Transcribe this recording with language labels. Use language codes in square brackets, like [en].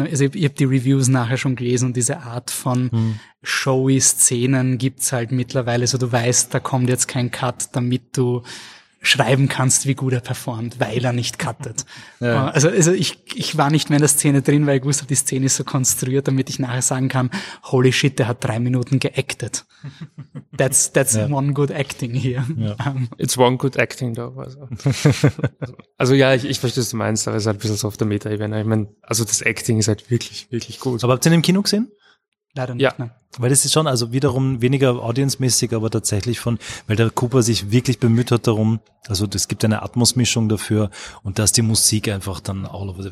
[de] Also ich habe die Reviews nachher schon gelesen und diese Art von showy Szenen gibt's halt mittlerweile. So, du weißt, da kommt jetzt kein Cut, damit du schreiben kannst, wie gut er performt, weil er nicht cuttet. Ja. Also ich war nicht mehr in der Szene drin, weil ich wusste, die Szene ist so konstruiert, damit ich nachher sagen kann, holy shit, der hat 3 Minuten geacted. [en] That's one good acting here. [de] Ja. [en] It's one good acting, though. [de] Also ja, ich verstehe, was du meinst, aber es ist halt ein bisschen so auf der Meta-Ebene. Ich meine, also das Acting ist halt wirklich, wirklich gut. Aber habt ihr ihn im Kino gesehen? Leider nicht, ja. Ne? Weil das ist schon, also wiederum weniger audience-mäßig, aber tatsächlich von, weil der Cooper sich wirklich bemüht hat darum, also es gibt eine Atmos-Mischung dafür und da ist die Musik einfach dann all over.